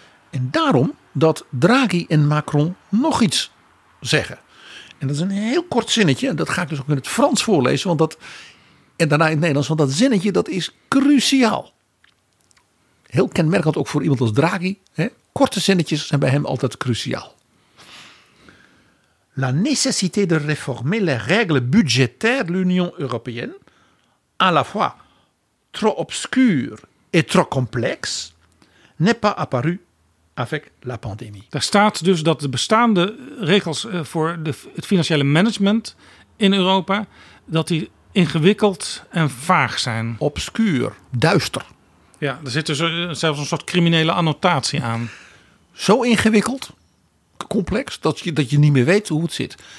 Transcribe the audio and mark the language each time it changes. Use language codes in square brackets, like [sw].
[nl] En daarom dat Draghi en Macron nog iets zeggen. En dat is een heel kort zinnetje. En dat ga ik dus ook in het Frans voorlezen. Want dat, en daarna in het Nederlands. Want dat zinnetje dat is cruciaal. Heel kenmerkend ook voor iemand als Draghi. Hè? Korte zinnetjes zijn bij hem altijd cruciaal. [fr] La nécessité de réformer les règles budgétaires de l'Union européenne, à la fois trop obscures et trop complexes, n'est pas apparue avec la pandémie. [nl] Daar staat dus dat de bestaande regels voor het financiële management in Europa, dat die ingewikkeld en vaag zijn. Obscuur, duister. Ja, er zit dus zelfs een soort criminele annotatie aan. Zo ingewikkeld, complex, dat je niet meer weet hoe het zit.